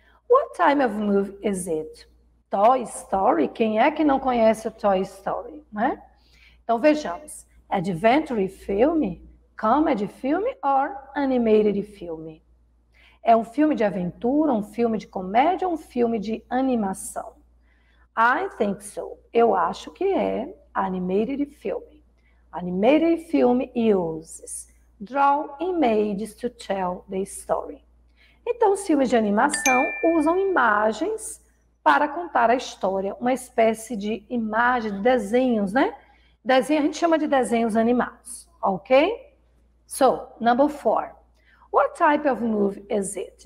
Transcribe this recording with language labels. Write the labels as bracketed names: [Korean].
[English] What time of movie is it? [Portuguese] Toy Story? Quem é que não conhece o Toy Story, né? Então vejamos. [English] Adventure film, comedy film or animated film? [Portuguese] É um filme de aventura, um filme de comédia ou um filme de animação? [English] I think so. [Portuguese] Eu acho que é animated film. [English] Animated film uses draw images to tell the story. [Portuguese] Então, os filmes de animação usam imagens para contar a história, uma espécie de imagem, de desenhos, né? Desenho, a gente chama de desenhos animados, ok? [English] So, number four. What type of movie is it?